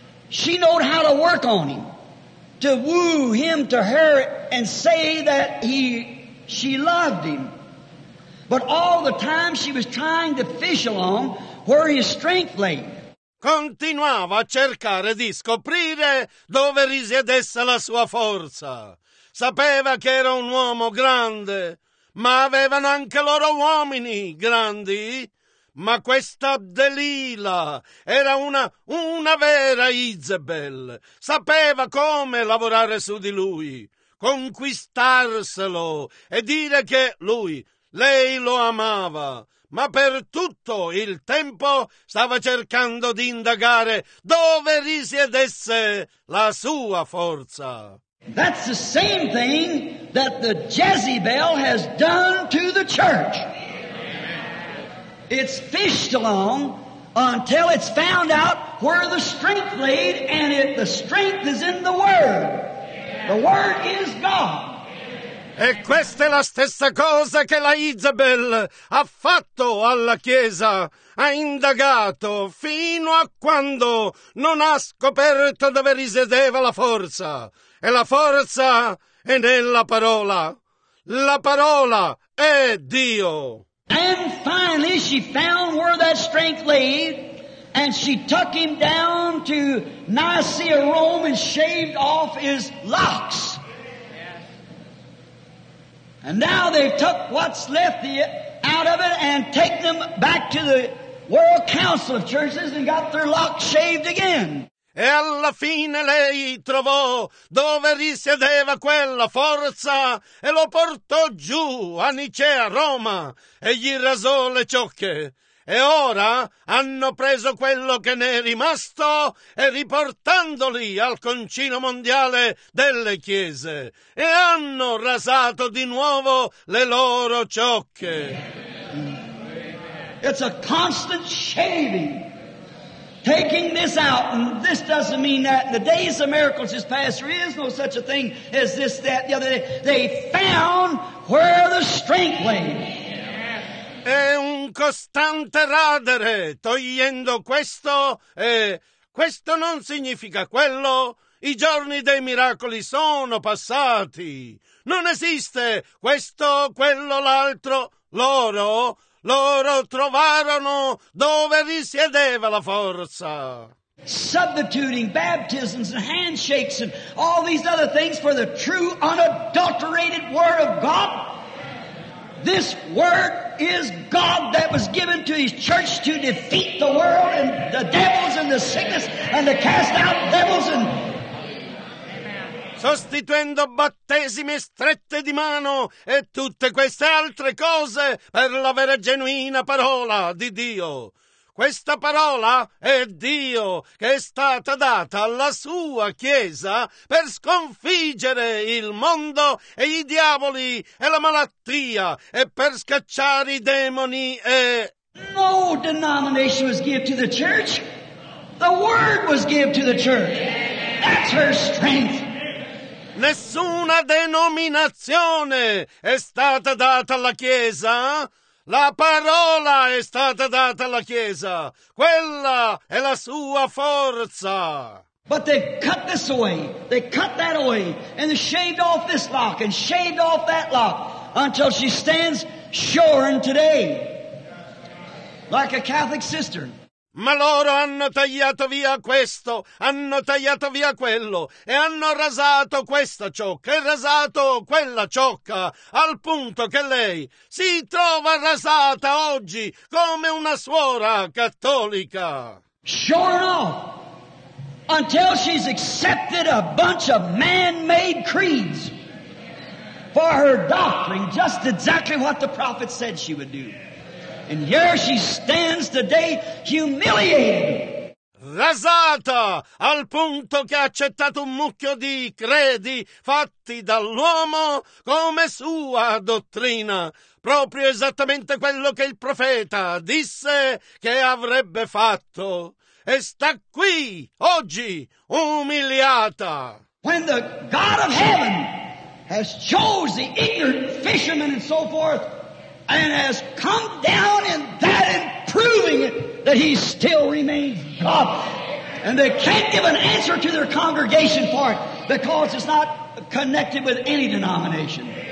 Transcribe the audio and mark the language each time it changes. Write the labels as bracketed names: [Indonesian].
[English] She knew how to work on him, to woo him to her and say that she loved him. But all the time she was trying to fish along where his strength lay. [Italian] Continuava a cercare di scoprire dove risiedesse la sua forza. Sapeva che era un uomo grande, ma avevano anche loro uomini grandi. Ma questa Delila era una vera Izebel. Sapeva come lavorare su di lui, conquistarselo e dire che lui... Lei lo amava, ma per tutto il tempo stava cercando di indagare dove risiedesse la sua forza. [English] That's the same thing that the Jezebel has done to the church. It's fished along until it's found out where the strength laid, and the strength is in the Word. The Word is God. [Italian] E questa è la stessa cosa che la Izebel ha fatto alla Chiesa. Ha indagato fino a quando non ha scoperto dove risiedeva la forza. E la forza è nella parola. La parola è Dio. [English] And finally she found where that strength lay, and she took him down to Nicaea, Rome, and shaved off his locks. And now they took what's left out of it and take them back to the World Council of Churches and got their locks shaved again. [Italian] E alla fine lei trovò dove risiedeva quella forza e lo portò giù a Nicea, Roma, e gli rasò le ciocche. E ora hanno preso quello che ne è rimasto e riportandoli al Concilio Mondiale delle Chiese e hanno rasato di nuovo le loro ciocche. [English] It's a constant shaving. Taking this out, and this doesn't mean that in the days of miracles is past, there is no such a thing as this, that, the other day. They found where the strength lay. [Italian] È un costante radere, togliendo questo e questo non significa quello. I giorni dei miracoli sono passati. Non esiste questo, quello, l'altro. Loro trovarono dove risiedeva la forza. [English] Substituting baptisms and handshakes and all these other things for the true unadulterated word of God. This word is God that was given to his church to defeat the world and the devils and the sickness and to cast out devils and... [Italian] sostituendo battesimi e strette di mano e tutte queste altre cose per la vera e genuina parola di Dio. Questa parola è Dio che è stata data alla sua Chiesa per sconfiggere il mondo e i diavoli e la malattia e per scacciare i demoni e... [English] No denomination was given to the church. The word was given to the church. That's her strength. [Italian] Nessuna denominazione è stata data alla Chiesa. La parola è stata data alla Chiesa. Quella è la sua forza. [English] But they cut this away. They cut that away. And they shaved off this lock and shaved off that lock until she stands shorn today. Like a Catholic sister. [Italian] Ma loro hanno tagliato via questo, hanno tagliato via quello, e hanno rasato questa ciocca, e rasato quella ciocca, al punto che lei si trova rasata oggi come una suora cattolica. [English] Sure enough, until she's accepted a bunch of man-made creeds for her doctrine, just exactly what the prophet said she would do. And here she stands today, humiliated. [Italian] Rasata al punto che ha accettato un mucchio di credi fatti dall'uomo come sua dottrina. Proprio esattamente quello che il profeta disse che avrebbe fatto. E sta qui, oggi, umiliata. [English] When the God of heaven has chosen the ignorant fishermen and so forth, and has come down in that and proving it that he still remains God. And they can't give an answer to their congregation for it because it's not connected with any denomination.